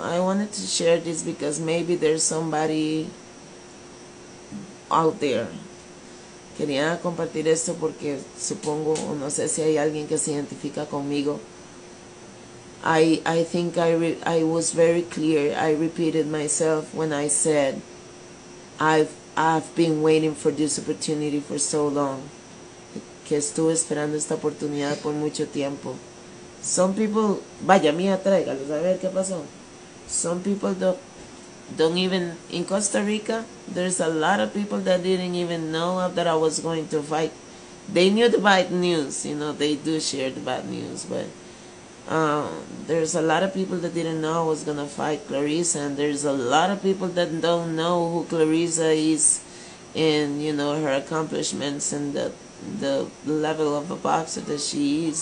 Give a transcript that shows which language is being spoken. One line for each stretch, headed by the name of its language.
English: I wanted to share this because maybe there's somebody out there.
Spanish: Quería compartir esto porque supongo, no sé si hay alguien que se identifica conmigo.
English: I think I was very clear. I repeated myself when I said I've been waiting for this opportunity for so long.
Spanish: Que estuve esperando esta oportunidad por mucho tiempo.
English: Some people,
Spanish: vaya mía, tráigalos a ver qué pasó.
English: Some people don't even, in Costa Rica, there's a lot of people that didn't even know that I was going to fight. They knew the bad news, you know, they do share the bad news, but there's a lot of people that didn't know I was going to fight Claressa, and there's a lot of people that don't know who Claressa is and, you know, her accomplishments and the level of a boxer that she is.